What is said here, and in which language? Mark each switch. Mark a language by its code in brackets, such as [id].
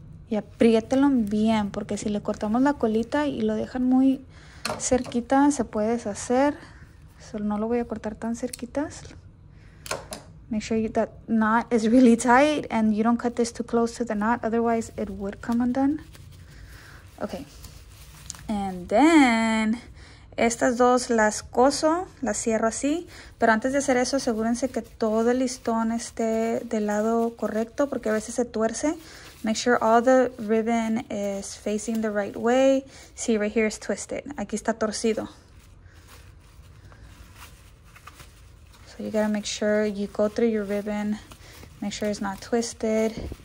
[es] Y apriételo bien, porque si le cortamos la colita y lo dejan muy cerquita, se puede deshacer. Solo no lo voy a cortar tan cerquitas. [en] Make sure you, that knot is really tight and you don't cut this too close to the knot, otherwise it would come undone. [es] Okay. [en] And then, [es] estas dos las coso, las cierro así. Pero antes de hacer eso, asegúrense que todo el listón esté del lado correcto, porque a veces se tuerce. [en] Make sure all the ribbon is facing the right way. See, right here is twisted. [es] Aquí está torcido. [en] So you gotta make sure you go through your ribbon. Make sure it's not twisted.